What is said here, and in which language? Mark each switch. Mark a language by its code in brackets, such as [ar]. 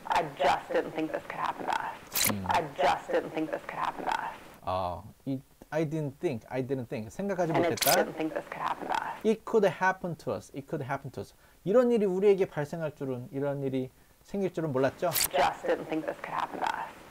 [en] I just didn't think this could happen to us. I just didn't think this could happen to us. [ko] 아, 이 [en] I didn't think. [ko] 생각하지 [en] and [ko] 못했다. [en] I didn't think this could happen to us. It could happen to us. It could happen to us. [ko] 이런 일이 우리에게 발생할 줄은 이런 일이 생길 줄은 몰랐죠? [en] Just didn't think this could happen to us.